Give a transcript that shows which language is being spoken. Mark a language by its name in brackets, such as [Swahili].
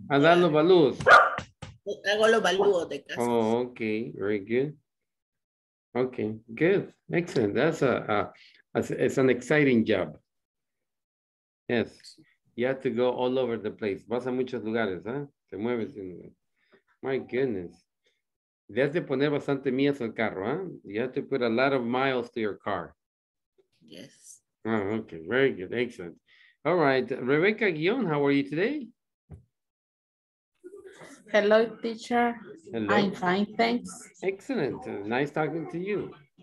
[Spanish] A dar los valuos. Hago los valuos de casas. [English] Oh, okay, very good. Okay, good, excellent. That's it's an exciting job. Yes. You have to go all over the place. [Spanish] Vas a muchos lugares, ¿eh? Te mueves. [English] My goodness. [Spanish] Le has de poner bastante millas al carro, ¿eh? [English] You have to put a lot of miles to your car. Yes. Oh, okay. Very good. Excellent. All right. Rebecca Guion, how are you today? Hello, teacher. Hello. I'm fine, thanks. Excellent. Nice talking to you.